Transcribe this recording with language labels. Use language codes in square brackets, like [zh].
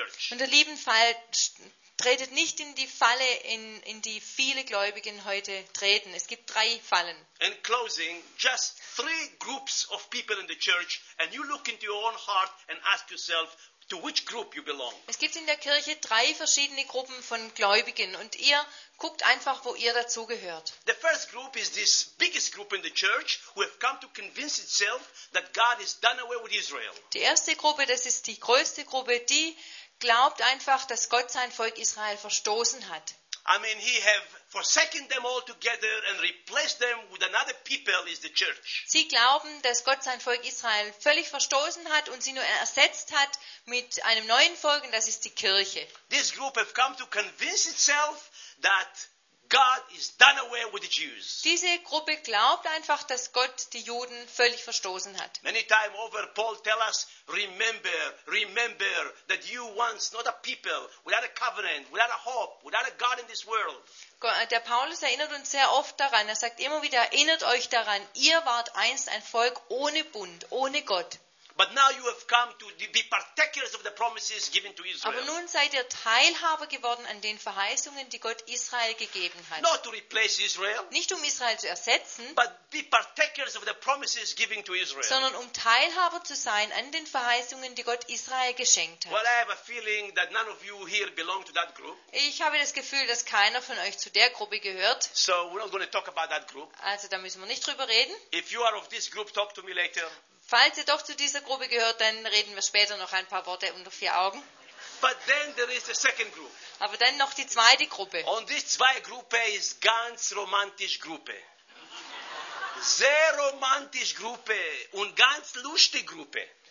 [de] Und ihr Lieben, tretet nicht in die Falle, in die viele Gläubigen heute treten. Es gibt drei Fallen. [en] In closing, just three groups of people in the church, and you look into your own heart and ask yourself, to which group you belong. [de] Es gibt in der Kirche drei verschiedene Gruppen von Gläubigen und ihr guckt einfach, wo ihr dazugehört. [en] The first group is this biggest group in the church who have come to convince itself that God has done away with Israel. [de] Die erste Gruppe, das ist die größte Gruppe, die glaubt einfach, dass Gott sein Volk Israel verstoßen hat. [en] I mean, he have forsaken them all together and replaced them with another people is the church. [de] Sie glauben, dass Gott sein Volk Israel völlig verstoßen hat und sie nur ersetzt hat mit einem neuen Volk, und das ist die Kirche. [en] This group have come to convince itself that God is done away with the Jews. [de] Diese Gruppe glaubt einfach, dass Gott die Juden völlig verstoßen hat. [en] Many times over, Paul tells us, remember that you once not a people, without a covenant, without a hope, without a God in this world. [de] Der Paulus erinnert uns sehr oft daran. Er sagt immer wieder, erinnert euch daran, ihr wart einst ein Volk ohne Bund, ohne Gott. [en] But now you have come to be partakers of the promises given to Israel. [de] Aber nun seid ihr Teilhaber geworden an den Verheißungen, die Gott Israel gegeben hat. [en] Not to replace Israel. [de] Nicht um Israel zu ersetzen. [en] But be partakers of the promises given to Israel. [de] Sondern um Teilhaber zu sein an den Verheißungen, die Gott Israel geschenkt hat. [en] Well, I have a feeling that none of you here belong to that group. [de] Ich habe das Gefühl, dass keiner von euch zu der Gruppe gehört. [en] So we're not going to talk about that group. [de] Also da müssen wir nicht drüber reden. [en] If you are of this group, talk to me later. [de] Falls ihr doch zu dieser Gruppe gehört, dann reden wir später noch ein paar Worte unter vier Augen. [en] But then there is the second group. [de] Aber dann noch die zweite Gruppe. Und die zweite Gruppe ist ganz romantisch Gruppe. Sehr romantisch Gruppe und ganz lustige Gruppe.